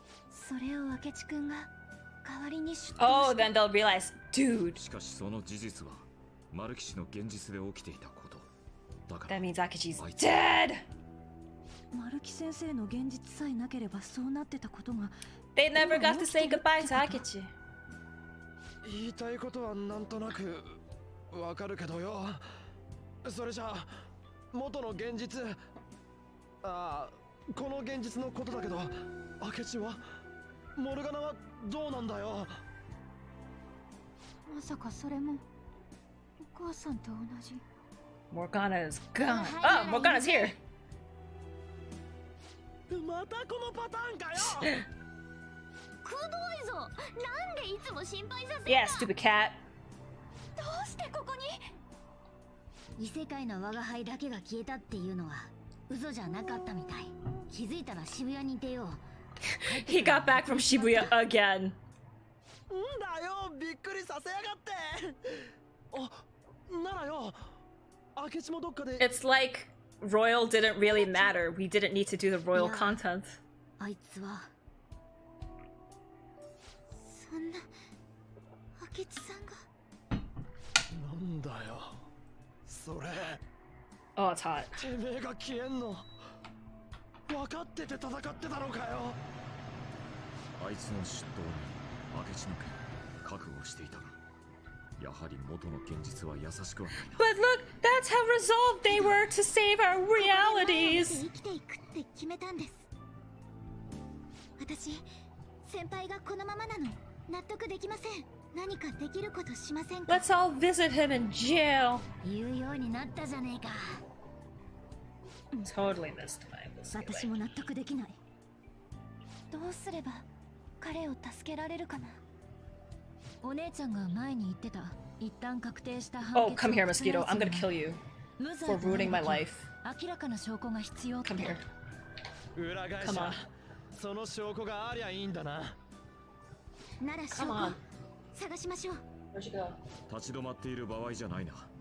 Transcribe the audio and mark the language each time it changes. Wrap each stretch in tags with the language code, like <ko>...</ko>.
<ja>それを明智君が代わりに出頭した。</ja> <en>Oh, then they'll realize, dude!</en> <ja>しかしその事実は、マルキ氏の現実で起きていたこと。だから、</ja> <en>That means Akechi's dead!</en> <ja>マルキ先生の現実さえなければそうなってたことが。</ja> <en>They never got to say goodbye to Akechi.</en> <ja>言いたいことはなんとなくわかるけどよ。それじゃあ元の現実、ああこの現実のことだけど、明智はモルガナはどうなんだよ。まさかそれもお母さんと同じ。</ja> <en>モルガナ is gone. Oh, モルガナ is here.</en> <ja>またこのパターンかよ。くどいぞ。なんでいつも心配させる。</ja> <en>Yeah, stupid cat.</en> <ja>どうしてここに。異世界の我が輩だけが消えたっていうのは嘘じゃなかったみたい。気づいたら渋谷にいてよ。</ja> <en>He got back from Shibuya again.</en> <ja>んだよ、びっくりさせやがって。あ、ならよ。明智もどっかで。</ja> <en>It's like. Royal didn't really matter. We didn't need to do the royal content.</en> <ja>あいつは。そんな。明智さんが。なんだよ。それ。</ja> <en>Oh, it's hot.</en> <ja>てめえが消えんの。分かってて戦ってたのかよ。あいつの嫉妬に明智の剣覚悟していたが、やはり元の現実は優しくはないな。</ja> <en>But look, that's how resolved they were to save our realities.</en> <ja>生きていくって決めたんです。私、先輩がこのままなの納得できません。何かできることしませんか。</ja> <en>Let's all visit him in jail.</en> <ja>言うようになったじゃねえか。</ja> <en>Totally missed my</en> <ja>私も納得できない。どうすれば彼を助けられるかな。お姉ちゃんが前に言ってた、一旦確定した判決。</ja> <en>Oh, come here, mosquito. I'm gonna kill you for ruining my life.</en> <ja>明らかな証拠が必要。</ja> <en>Come here. Come on.</en> <ja>その証拠がありゃいいんだな。なら証拠探しましょう。立ち止まっている場合じゃないな。</ja>